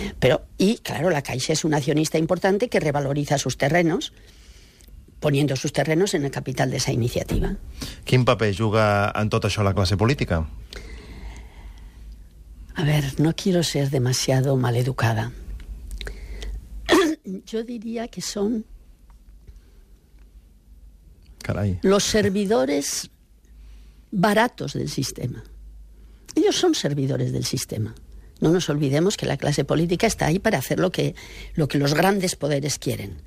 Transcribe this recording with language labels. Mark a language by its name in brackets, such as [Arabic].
[Spanish] Pero, y claro, la Caixa es un accionista importante que revaloriza sus terrenos, poniendo sus terrenos en el capital de esa iniciativa. [Catalan] ¿Quin paper juga en tot això la classe política? [Spanish] A ver, no quiero ser demasiado maleducada. Yo diría que son... Caray. Los servidores baratos del sistema. Ellos son servidores del sistema. No nos olvidemos que la clase política está ahí para hacer lo que los grandes poderes quieren.